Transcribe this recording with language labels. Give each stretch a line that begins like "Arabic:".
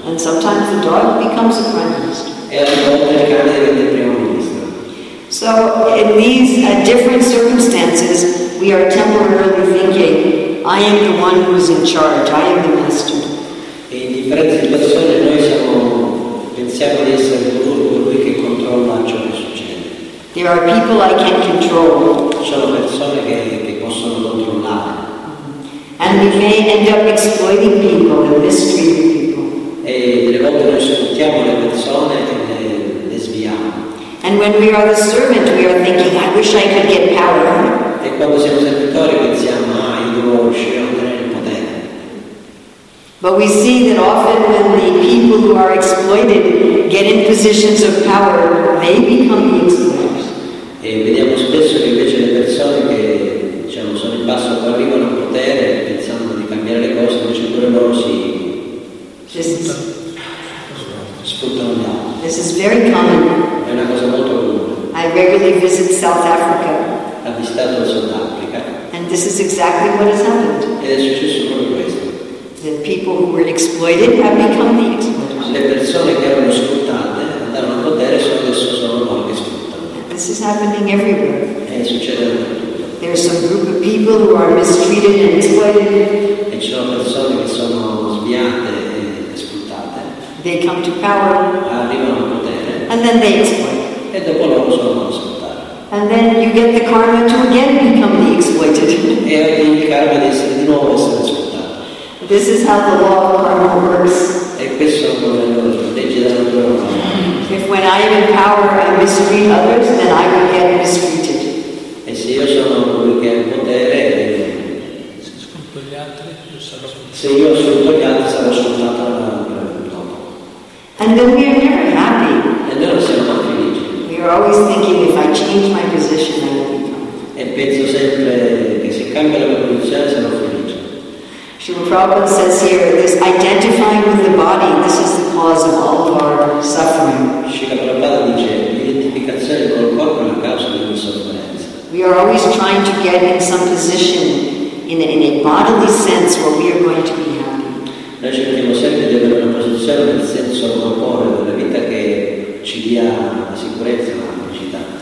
English: And sometimes the dog becomes a prime minister.
Italian: E a volte il cane diventa il primo ministro.
English: So in these different circumstances, we are temporarily thinking, I am the one who is in charge, I am the master.
Italian: E in differenze di persone noi pensiamo di essere colui che controlla ciò che succede.
English: There are people I can control.
Italian: Ci sono persone che possono controllare.
English: And we may end up exploiting people and mistreating people.
Italian: E delle volte noi sfruttiamo le persone e le sviamo.
English: And when we are the servant, we are thinking, I wish I could get power.
Italian: E quando siamo servitori pensiamo, ah, io devo riuscire a ottenere il potere.
English: But we see that often when the people who are exploited get in positions of power, they become the exploiters.
Italian: E vediamo spesso che invece le persone che diciamo sono in basso che arrivano al potere pensando di cambiare le cose, invece pure loro si sfruttano gli altri.
English: This is very common.
Italian: È una cosa molto
English: I regularly visit South Africa.
Italian: Ha visitato il Sud Africa.
English: And this is exactly what has happened.
Italian: Ed è successo proprio questo.
English: The people who were exploited have become the exploiters.
Italian: Le persone che erano sfruttate andarono al potere e adesso sono loro che sfruttano.
English: This is happening everywhere.
Italian: E succede dappertutto.
English: There's some group of people who are mistreated and exploited.
Italian: E ci sono persone che sono sviate e sfruttate.
English: They come to power.
Italian: Arrivano al potere.
English: And then they exploit.
Italian: E dopo loro sono sfruttati.
English: And then you get the karma to again become the exploited.
Italian: E il karma di essere di nuovo essere sfruttato.
English: This is how the law of karma works.
Italian: E questo è come la legge della natura.
English: If when I am in power I mistreat others, then I will get mistreated.
Italian: E se io sono colui che ha il potere, se sfrutto gli altri, io sarò sfruttato. Se io sfrutto gli altri, sarò sfruttato dalla natura.
English: And then we are never happy.
Italian: E noi siamo mai felici.
English: We're always thinking if I change my position I will become.
Italian: E penso sempre che se cambia la mia posizione sarò felice.
English: Srila Prabhupada says here this identifying with the body, this is the cause of all of our suffering.
Italian: Srila Prabhupada dice l'identificazione col corpo è la causa della sofferenza.
English: We are always trying to get in some position in a bodily sense where we are going to be happy.
Italian: Noi cerchiamo sempre di avere una posizione nel senso corporeo della vita che ci dia la sicurezza, la felicità.